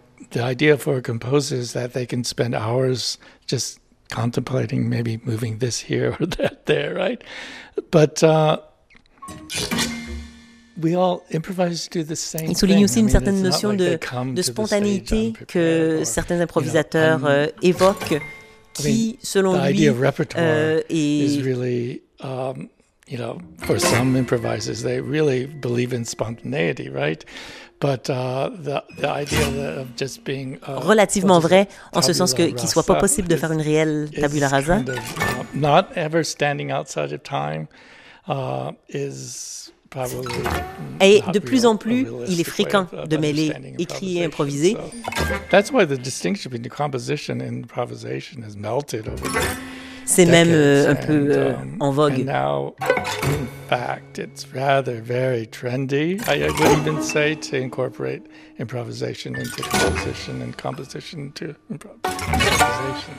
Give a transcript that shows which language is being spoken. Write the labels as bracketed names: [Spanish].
[English] The idea for a composer is that they can spend hours just contemplating maybe moving this here or that there, right? But we all improvisers do the same thing. [French] Il souligne aussi une certaine notion de spontanéité que certains improvisateurs évoquent. Qui, selon lui, [English] for some improvisers, they really believe in spontaneity, right? But the idea of just being [French] relativement vrai, en ce sens que qu'il soit pas possible de faire une réelle tabula rasa. [English] Kind of, not ever standing outside of time is probably. [French] Et de plus en plus, il est fréquent de mêler écrit et improvisé. [English] That's why the distinction between composition and improvisation has melted over the decades. [French] C'est même un peu en vogue. [English] And now, in fact, it's rather very trendy. I would even say to incorporate improvisation into composition and composition into improvisation.